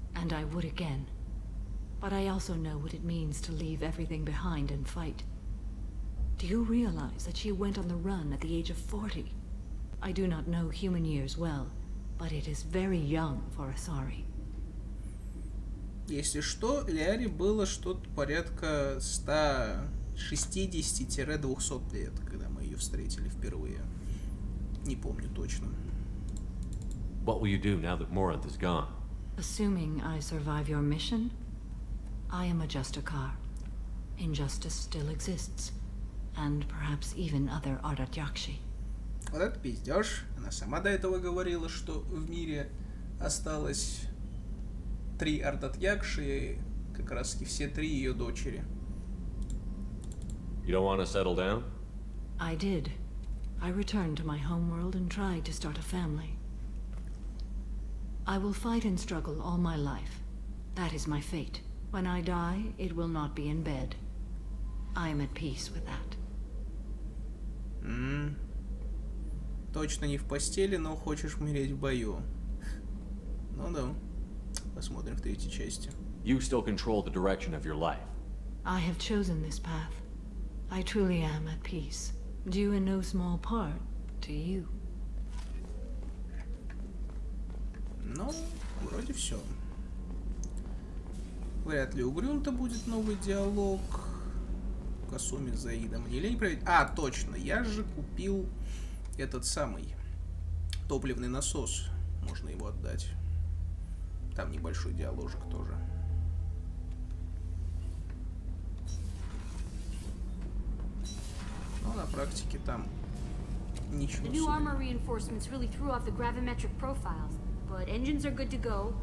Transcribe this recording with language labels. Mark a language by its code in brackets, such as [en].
[en] And I would again. But I also know what it means to leave everything behind and fight. Do you realize that she went on the run at the age of 40? I do not know human years well, but it is very young for Asari. [ru] Если что, Ляре было что-то порядка 160-200 лет, когда мы ее встретили впервые. Не помню точно. [en] What will you do now that Morinth is gone? Assuming I survive your mission, I am a Justicar. Injustice still exists, and perhaps even other Ardatyakshi. [ru] Вот это пиздёж. Она сама до этого говорила, что в мире осталось... Три Ардатьякши, как раз и все три ее дочери. [en] You don't want to settle down? I did. I returned to my homeworld and tried to start a family. I will fight and struggle all my life. That is my fate. When I die, it will not be in bed. I am at peace with that. [ru] Точно не в постели, но хочешь умереть в бою. Ну да. Посмотрим в третьей части. [en] You still control the direction of your life. I have chosen this path. I truly am at peace. Due in no small part to you. [ru] Ну, вроде все. Вряд ли у Грюнта будет новый диалог. Косуми с Заидом. Или не проверить. А, точно. Я же купил этот самый топливный насос. Можно его отдать. Там небольшой диалогик тоже. Но на практике там ничего. [en] The new armor reinforcements really threw off the gravimetric profiles, but engines are good to go.